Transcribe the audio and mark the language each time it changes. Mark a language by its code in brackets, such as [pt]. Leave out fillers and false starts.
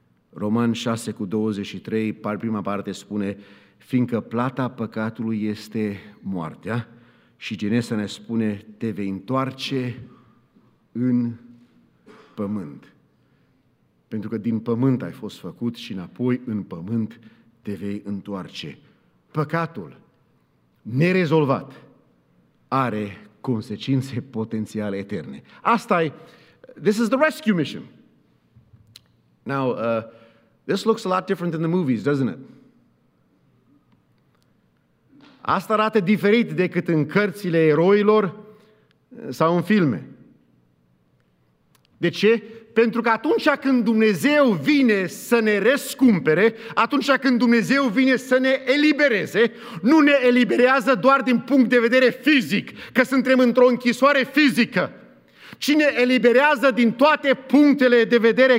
[ro] Roman 6:23, prima parte spune: fiindcă plata păcatului este moartea, și Genesa ne spune, te vei întoarce în pământ. Pentru că din pământ ai fost făcut și înapoi în pământ te vei întoarce. Păcatul nerezolvat are consecințe potențiale eterne. Asta e, [en] this is the rescue mission. Now, this looks a lot different than the movies, doesn't it? [ro] Asta arată diferit decât în cărțile eroilor sau în filme. De ce? Pentru că atunci când Dumnezeu vine să ne rescumpere, atunci când Dumnezeu vine să ne elibereze, nu ne eliberează doar din punct de vedere fizic, că suntem într-o închisoare fizică, ci ne eliberează din toate punctele de vedere.